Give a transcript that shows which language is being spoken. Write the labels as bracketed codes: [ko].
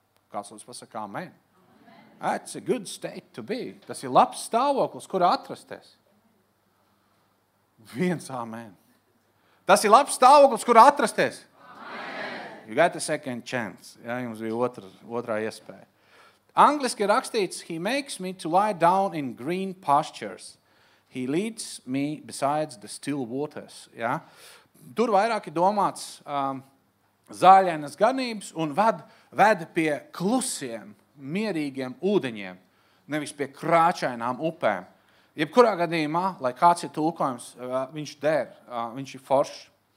[lv] Kāds mums pasaka amen. [en] That's a good state to be. [lv] Tas ir labs stāvoklis, kur atrasties. Viens amen. Tas ir labs stāvoklis, kur atrasties. Amen. [en] You got a second chance. [lv] Ja, jums bija otrā iespēja. Angliski ir rakstīts, [en] he makes me to lie down in green pastures. He leads me besides the still waters. [lv] Ja? Tur vairāk ir domāts zāļainas ganības un ved pie klusiem, mierīgiem ūdeņiem, nevis pie krāčainām upēm. Jebkurā gadījumā, lai kāds ir tulkojums, viņš der, viņš ir foršs.